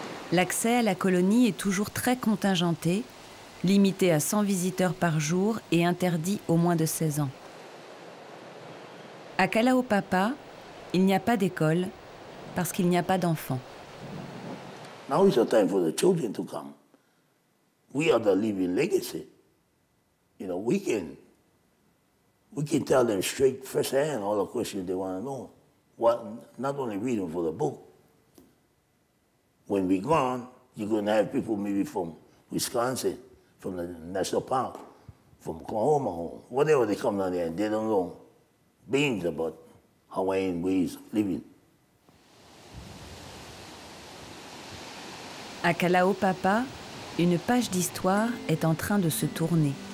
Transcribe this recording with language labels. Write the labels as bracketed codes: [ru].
[fr] L'accès à la colonie est toujours très contingenté, limité à 100 visiteurs par jour et interdit aux moins de 16 ans. À Kalaupapa, il n'y a pas d'école parce qu'il n'y a pas d'enfants. [en] Now is the time for the children to come. We are the living legacy. You know, we can tell them straight firsthand all the questions they want to know. What, not only reading for the book. When we're gone, you're going to have people maybe from Wisconsin, from the National Park, from Oklahoma, whatever, they come down there and they don't know beans about Hawaiian ways of living. [fr] À Kalaupapa, une page d'histoire est en train de se tourner.